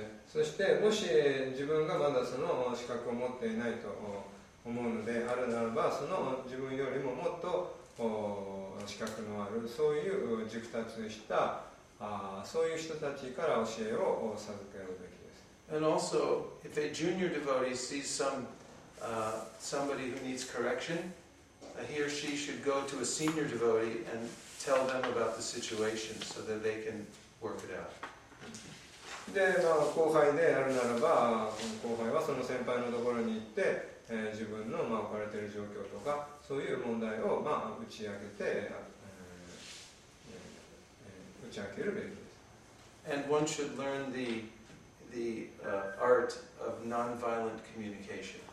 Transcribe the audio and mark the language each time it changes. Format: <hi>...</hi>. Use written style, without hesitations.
<ja>そしてもし自分がまだその資格を持っていないと思うのであるならば、その自分よりももっと資格のあるそういう熟達したそういう人たちから教えを授けるべきです。</ja> <en>And also, if a junior devotee sees somebody who needs correction, he or she should go to a senior devotee and tell them about the situation so that they can work it out.</en> <ja>で、まあ、後輩であるならば、後輩はその先輩のところに行って、自分の、まあ、置かれている状況とかそういう問題を、まあ、打ち明けるべきです。</ja> <en>And one should learn the art of non-violent communication.</en>